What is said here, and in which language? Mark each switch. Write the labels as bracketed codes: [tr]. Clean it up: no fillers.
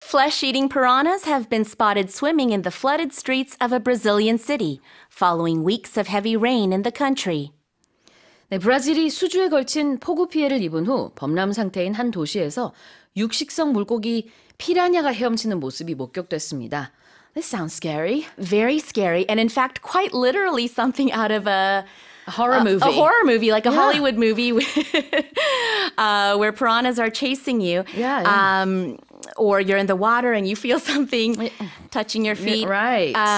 [en] Flesh-eating piranhas have been spotted swimming in the flooded streets of a Brazilian city, following weeks of heavy rain in the country. [ko] 네, 브라질이 수주에 걸친 폭우 피해를 입은 후 범람 상태인 한 도시에서 육식성 물고기 피라냐가 헤엄치는 모습이 목격됐습니다. [en] This sounds scary. Very scary, and in fact, quite literally something out of a horror movie, like a Hollywood movie where piranhas are chasing you. Or you're in the water and you feel something touching your feet. Right.